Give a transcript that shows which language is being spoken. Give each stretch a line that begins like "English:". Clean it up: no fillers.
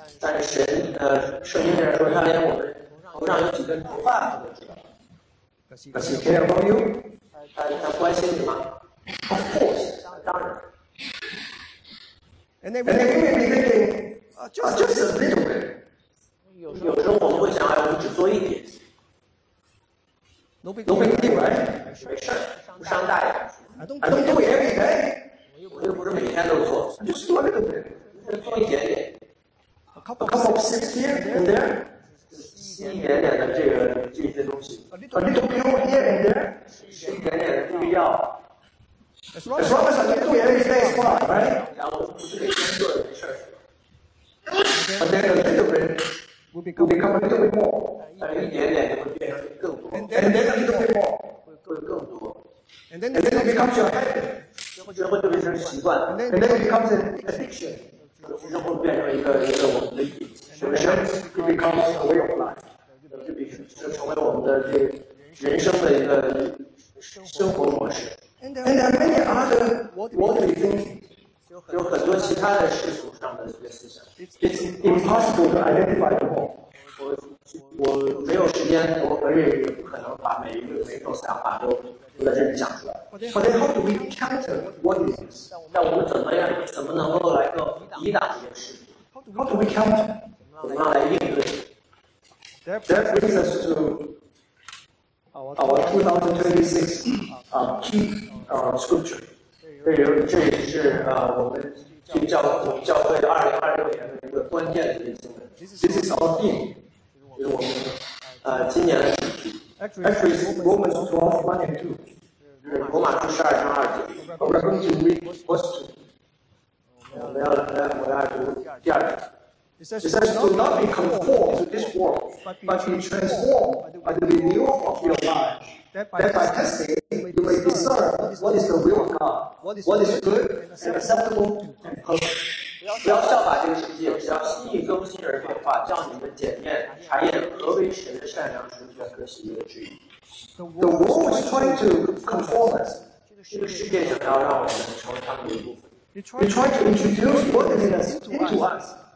English: Does He care about you? Of course. And then we may be thinking, just a little bit.
Chinese: 有时候我们会想，我们只做一点。
English: No big deal, right?
Chinese: 没事，不伤大雅。
English: I don't do it every day.
Chinese: 我又不是每天都做。
English: Just do a little bit.
Chinese: 做一点点。
English: A couple of steps here and there.
Chinese: 一点点的这些东西。
English: A little pill here and there.
Chinese: 一点点的必要。
English: As long as I can do it every day, it's fine, right? But then a little bit will become a little bit more. And then a little bit more. And then it becomes your habit. And then it becomes an addiction. And then it becomes a way of life. And there are many other worldly things
Chinese: 有很多其他的世俗上的一些思想。
English: It's impossible to identify them all.
Chinese: 我没有时间，我本人也不可能把每一种想法都在这里讲出来。
English: But then how do we counter what is this?
Chinese: 那我们怎么能够来个抵挡这件事？
English: How do we counter?
Chinese: 怎么来应对？
English: That brings us to our 2026 key scripture.
Chinese: 这也是我们教会2026年的一个关键的经文。
English: This is our theme，
Chinese: 就是我们今年的主题。
English: Actually, Romans 12:1-2，
Chinese: 罗马书12:2-2。
English: We're going to read first.
Chinese: 我要读第二节。
English: It says, "Do not be conformed to this world, but be transformed by the renewal of your mind, that by testing you may discern what is the will of God, what is good and acceptable and perfect."
Chinese: 不要效法这个世界，只要心意更新而变化，叫你们检验查验何为神的善良、纯全和喜悦的旨意。
English: The world is trying to conform us.
Chinese: 这个世界想要让我们成为他们的一部分。
English: It's trying to introduce worldliness into us.